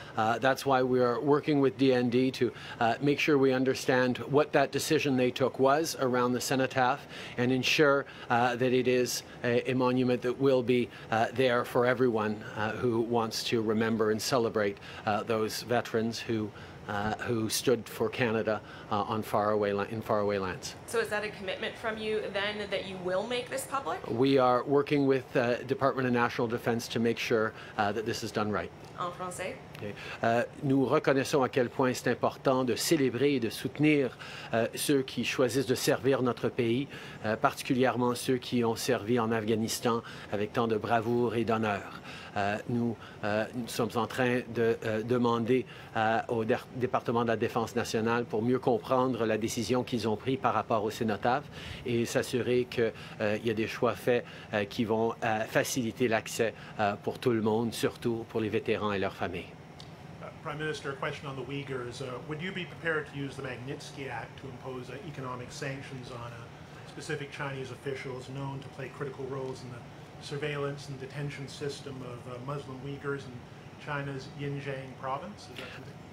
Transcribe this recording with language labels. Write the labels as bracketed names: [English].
[English] That's why we are working with DND to make sure we understand what that decision they took was around the cenotaph and ensure that it is a monument that will be there for everyone who wants to remember and celebrate those veterans who stood for Canada in faraway lands. So is that a commitment from you then that you will make this public? We are working with the Department of National Defense to make sure that this is done right. [French] En français? Okay. Nous reconnaissons à quel point c'est important de célébrer et de soutenir ceux qui choisissent de servir notre pays, particulièrement ceux qui ont servi en Afghanistan avec tant de bravoure et d'honneur. Nous sommes en train de demander au Département de la Défense nationale pour mieux comprendre la décision qu'ils ont prise par rapport au cénotaphe et s'assurer qu'il y a des choix faits qui vont faciliter l'accès pour tout le monde, surtout pour les vétérans et leurs familles. [English] Prime Minister, a question on the Uyghurs. Would you be prepared to use the Magnitsky Act to impose economic sanctions on specific Chinese officials known to play critical roles in the surveillance and detention system of Muslim Uyghurs in China's Xinjiang province? Is that something?